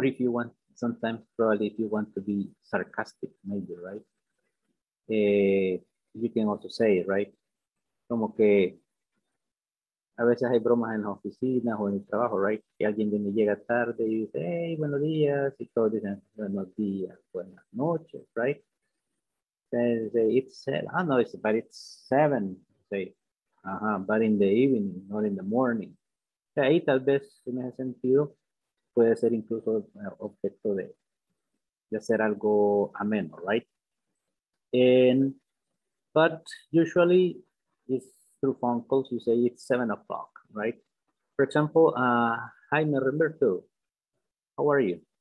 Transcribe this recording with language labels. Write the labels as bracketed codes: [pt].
[en] If you want to be sarcastic, maybe, right? You can also say it, right? [es] Como que a veces hay bromas en la oficina o en el trabajo, right? Que alguien viene y llega tarde y dice, hey, buenos días, y todos dicen, buenos días, buenas noches, right? [en] Then they say, it's 7, say, but in the evening, not in the morning. [es] Ahí tal vez en ese sentido puede ser incluso objeto de hacer algo ameno, right? [en] But usually it's through phone calls, you say it's 7 o'clock, right? For example, hi, me Roberto, how are you?